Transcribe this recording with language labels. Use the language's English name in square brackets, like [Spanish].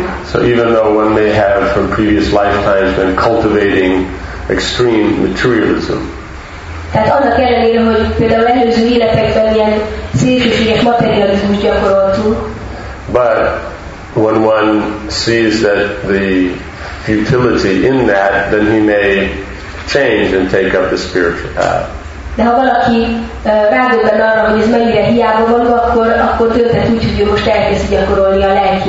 [English] So even though one may have from previous lifetimes been cultivating extreme materialism. [Hungarian] Tehát annak ellenére, hogy például előző életekben ilyen szélsőséges materializmust gyakoroltunk. [English] But when one sees that the futility in that, then he may change and take up the spiritual path. [Hungarian] De ha valaki rádöbben arra, hogy ez mennyire hiába való, akkor tölthet úgy, hogy ő most elkezdi gyakorolni a lelki